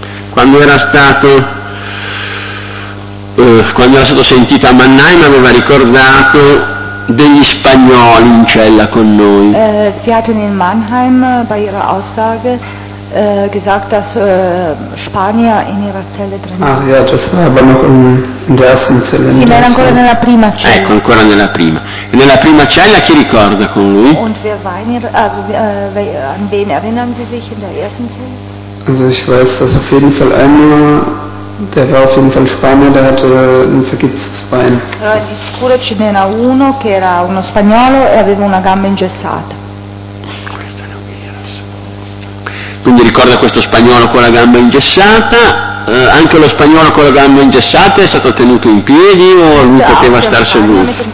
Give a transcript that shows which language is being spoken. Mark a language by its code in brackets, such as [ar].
[it] Quando era stato sentito a Mannheim aveva ricordato degli spagnoli in cella con noi. [de] Si hatten in Mannheim bei ihrer Aussage gesagt, dass Spanier in ihrer Zelle drin sind. Ah ja, das war aber noch in der ersten Zelle. Sie waren [it] ancora nella prima cella. Ecco, ancora nella prima. E nella prima cella chi ricorda con lui? [de] Und wer war in ihrer, also an wen erinnern Sie sich in der ersten Zelle? Also ich weiß, dass auf jeden Fall einer, der war auf jeden Fall Spanier, der hatte ein vergipstes Bein. [it] Di sicuro ce n'era uno che era uno spagnolo e aveva una gamba ingessata. Quindi ricorda questo spagnolo con la gamba ingessata, anche lo spagnolo con la gamba ingessata è stato tenuto in piedi o lui poteva star seduto?